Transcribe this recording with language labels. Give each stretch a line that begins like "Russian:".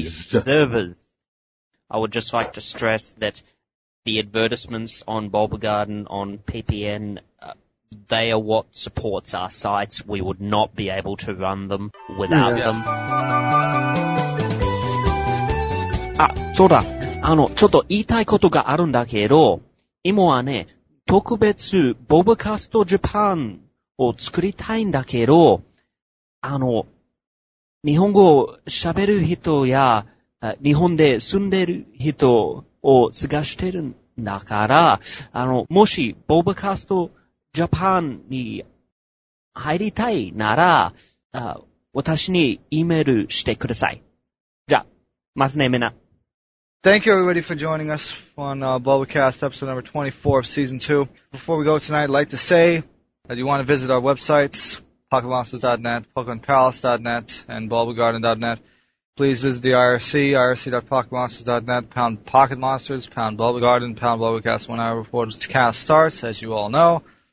English: servers. I would just like to stress that the advertisements on Bulbagarden, on PPN, they are what supports our sites. We would not be able to run them without them.
Japanese: あ、そうだ。あの、ちょっと言いたいことがあるんだけど、今はね、特別、ボブカストジャパンを作りたいんだけど、あの、日本語を喋る人や、日本で住んでる人を探してるんだから、あの、もし、ボブカストジャパンに入りたいなら、私にイメールしてください。じゃあ、またね、みんな。
English: Thank you, everybody, for joining us on Bulbacast, episode number 24 of Season 2. Before we go tonight, I'd like to say that you want to visit our websites, PokemonMonsters.net, PokemonPalace.net, and Bulbagarden.net. Please visit the IRC, irc.pokemonsters.net, #PocketMonsters, #Bulbagarden, #Bulbacast, when our report cast starts, as you all know.